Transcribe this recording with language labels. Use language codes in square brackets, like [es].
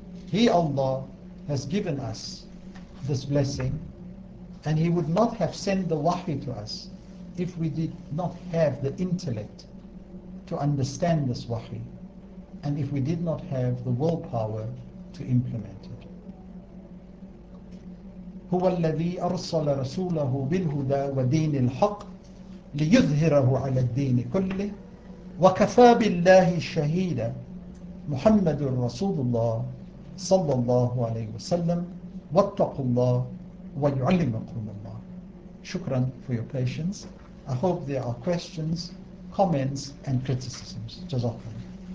[en] He, Allah, has given us this blessing, and He would not have sent the wahi to us if we did not have the intellect to understand this wahi and if we did not have the willpower to implement it. [ar] هو الذي أرسل رسوله بالهدى ودين الحق ليظهره على الدين كله وكفى بالله شهيدا محمد رسول الله صلى الله عليه وسلم واتقوا الله ويعلمكم الله. [en] شكرا for your patience. I hope there are questions, comments and criticisms. [ar] جزاكم الله.